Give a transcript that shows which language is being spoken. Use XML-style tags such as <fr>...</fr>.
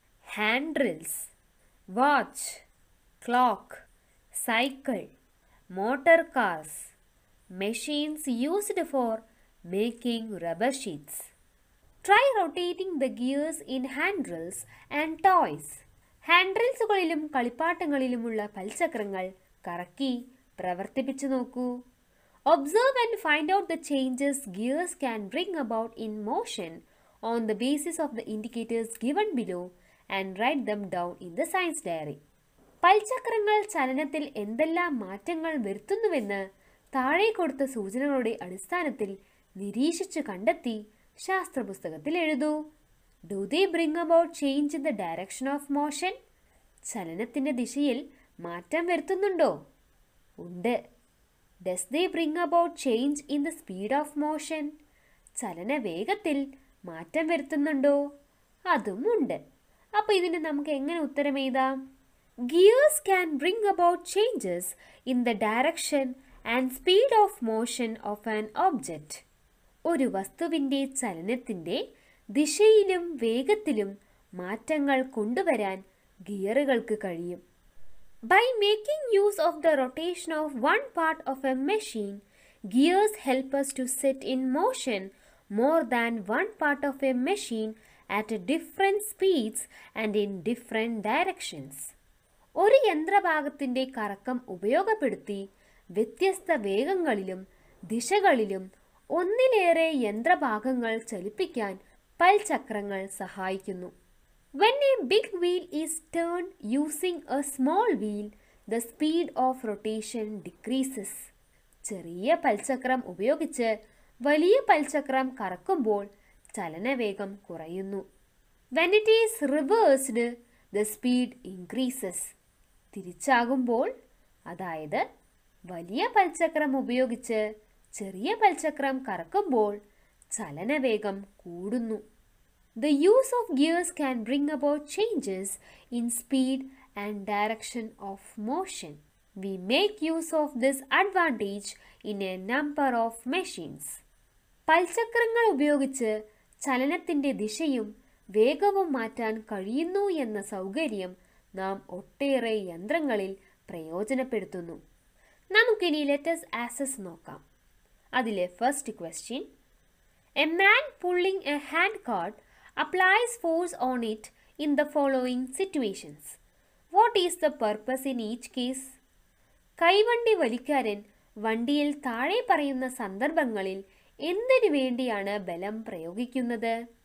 <en>Hand drills, watch, clock, cycle, motor cars, machines used for making rubber sheets. Try rotating the gears in hand drills and toys.</en> <ml>Hand ഡ്രിൽസുകളിലും കളിപ്പാട്ടങ്ങളിലുമുള്ള പൽചക്രങ്ങൾ കറക്കി പ്രവർത്തിപ്പിച്ചു നോക്കൂ.</ml> <en>Observe and find out the changes gears can bring about in motion on the basis of the indicators given below and write them down in the science diary.</en> <ml>പൽചക്രങ്ങൾ ചലനത്തിൽ എന്തെല്ലാം മാറ്റങ്ങൾ വരുത്തുന്നുവെന്ന് താഴെ കൊടുത്ത സൂചനകളുടെ അടിസ്ഥാനത്തിൽ നിരീക്ഷിച്ചു കണ്ടെത്തി ശാസ്ത്രപുസ്തകത്തിൽ എഴുതൂ.</ml> <en>Do they bring about change in the direction of motion?</en> <ml>ചലനത്തിൻ്റെ ദിശയിൽ മാറ്റം വരുത്തുന്നുണ്ടോ? ഉണ്ട്.</ml> <en>Does they bring about change in the speed of motion?</en> <ml>ചലന വേഗത്തിൽ മാറ്റം വരുത്തുന്നുണ്ടോ? അതും ഉണ്ട്. അപ്പോൾ ഇതിന് നമുക്ക് എങ്ങനെ ഉത്തരം എഴുതാം?</ml> <en>Gears can bring about changes in the direction and speed of motion of an object.</en> <ml>ഒരു വസ്തുവിൻ്റെ ചലനത്തിൻ്റെ ദിശയിലും വേഗത്തിലും മാറ്റങ്ങൾ കൊണ്ടുവരാൻ ഗിയറുകൾക്ക് കഴിയും.</ml> <en>By making use of the rotation of one part of a machine, gears help us to set in motion more than one part of a machine at different speeds and in different directions.</en> <ml>ഒരു യന്ത്രഭാഗത്തിൻ്റെ കറക്കം ഉപയോഗപ്പെടുത്തി വ്യത്യസ്ത വേഗങ്ങളിലും ദിശകളിലും ഒന്നിലേറെ യന്ത്രഭാഗങ്ങൾ ചലിപ്പിക്കാൻ പൽചക്രങ്ങൾ സഹായിക്കുന്നു.</ml> <en>When a big wheel is turned using a small wheel, the speed of rotation decreases.</en> <ml>ചെറിയ പൽചക്രം ഉപയോഗിച്ച് വലിയ പൽചക്രം കറക്കുമ്പോൾ ചലനവേഗം കുറയുന്നു.</ml> <en>When it is reversed, the speed increases.</en> <ml>തിരിച്ചാകുമ്പോൾ, അതായത് വലിയ പൽചക്രം ഉപയോഗിച്ച് ചെറിയ പൽചക്രം കറക്കുമ്പോൾ ചലനവേഗം കൂടുന്നു.</ml> <en>The use of gears can bring about changes in speed and direction of motion. We make use of this advantage in a number of machines.</en> <ml>പൽചക്രങ്ങൾ ഉപയോഗിച്ച് ചലനത്തിൻ്റെ ദിശയും വേഗവും മാറ്റാൻ കഴിയുന്നു എന്ന സൗകര്യം നാം ഒട്ടേറെ യന്ത്രങ്ങളിൽ പ്രയോജനപ്പെടുത്തുന്നു. നമുക്കിനി</ml> <en>let us assess</en> <ml>നോക്കാം. അതിലെ</ml> <en>First question: a man pulling a hand cart applies force on it in the following situations. What is the purpose in each case?</en> <ml>കൈവണ്ടി വലിക്കാരൻ വണ്ടിയിൽ താഴെ പറയുന്ന സന്ദർഭങ്ങളിൽ എന്തിനു വേണ്ടിയാണ് ബലം പ്രയോഗിക്കുന്നത്?</ml>